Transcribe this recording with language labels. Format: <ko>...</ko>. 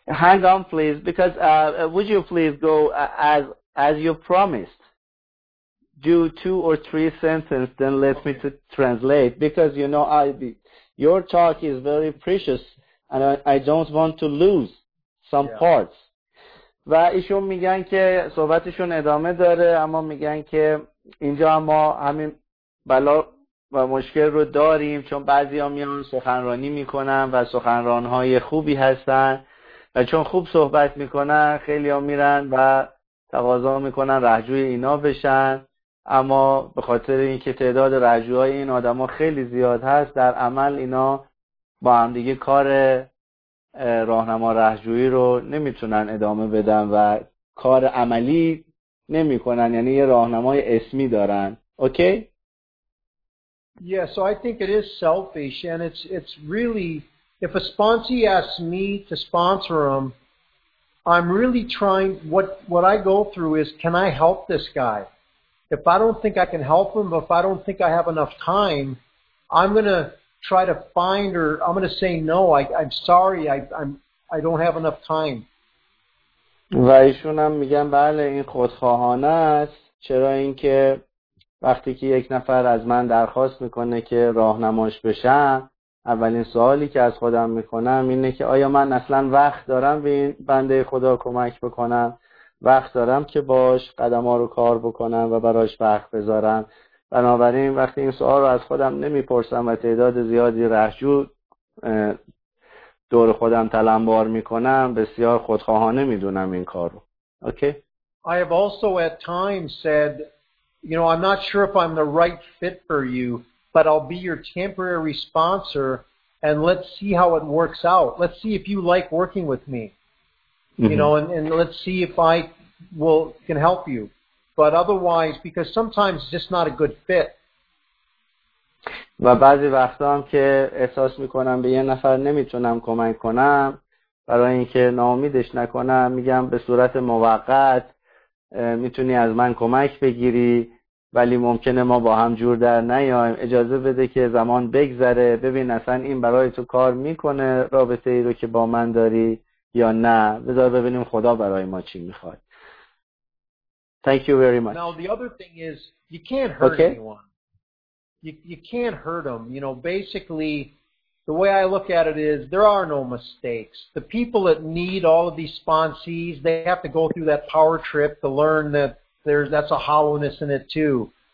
<en>hang on, please, because would you please go as you promised? Do two or three sentences, then let me to translate, because you know your talk is very precious, and I don't want to lose some parts.</en> <fa>و ایشون میگن که صحبتشون ادامه داره، اما میگن که اینجا ما همین بلا و مشکل رو داریم، چون بعضی ها میان سخنرانی میکنن و سخنرانهای خوبی هستن و چون خوب صحبت میکنن خیلی ها میرن و تقاضا میکنن رهجوی اینا بشن، اما به خاطر اینکه تعداد رهجوهای این آدم ها خیلی زیاد هست، در عمل اینا با همدیگه کار راهنما رهجویی رو نمیتونن ادامه بدن و کار عملی نمی کنن، یعنی یه راهنمای اسمی دارن. اوکی؟</fa> <en>Yeah, so I think it is selfish, and it's really, if a sponsee asks me to sponsor him, I'm really trying, what I go through is, can I help this guy? If I don't think I can help him, if I don't think I have enough time, I'm going to try to find her, I'm going to say no, I'm sorry, I don't have enough time.</en> <fa>و ایشون هم میگن بله این خودخواهانه است، چرا اینکه وقتی که یک نفر از من درخواست میکنه که راهنماش بشم، اولین سوالی که از خودم میکنم اینه که آیا من اصلا وقت دارم به این بنده خدا کمک بکنم وقت دارم که باش قدم ها رو کار بکنم و براش وقت بذارم. بنابراین وقتی این سوال رو از خودم نمیپرسم و تعداد زیادی رهجو دور خودم تلمبار میکنم، بسیار خودخواهانه میدونم این کار رو.</fa> <en>I have also at times said, you know, I'm not sure if I'm the right fit for you, but I'll be your temporary sponsor and let's see how it works out. Let's see if you like working with me. You know, and let's see if I will can help you. But otherwise, because sometimes it's just not a good fit.</en> <fa>و بعضی وقتا هم که احساس میکنم به یه نفر نمیتونم کمک کنم، برای اینکه ناامیدش نکنم میگم به صورت موقت میتونی از من کمک بگیری، ولی ممکنه ما با هم جور در نیایم، اجازه بده که زمان بگذره ببین اصلا این برای تو کار میکنه رابطه ای رو که با من داری یا نه، بذار ببینیم خدا برای ما چی میخواد.</fa> <en>Thank you very much. Now the other thing is you can't hurt okay. anyone. You can't hurt them. You know, basically, the way I look at it is there are no mistakes. The people that need all of these sponsees, they have to go through that power trip to learn that that's a hollowness in it too.</en>